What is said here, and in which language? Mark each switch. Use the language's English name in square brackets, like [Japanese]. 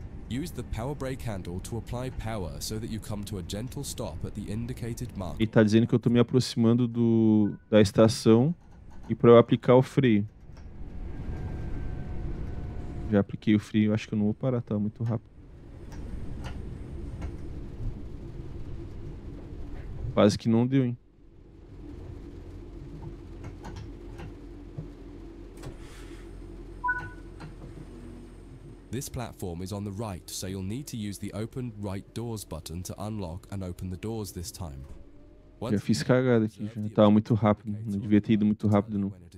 [English] Use the power brake handle to apply power so that you come to a gentle stop at the indicated mark. [Portuguese] Ele tá dizendo que eu tô me aproximando da estação e para eu aplicar o freio. Já apliquei o freio, acho que eu não vou parar, tá muito rápido. Quase que não deu, hein? [English] This platform is on the right, so you'll need to use the open right doors button to unlock and open the doors this time. [Portuguese] Já [English] Once [Portuguese] fiz cagada aqui, já. Tava muito rápido, não devia ter ido muito rápido, não.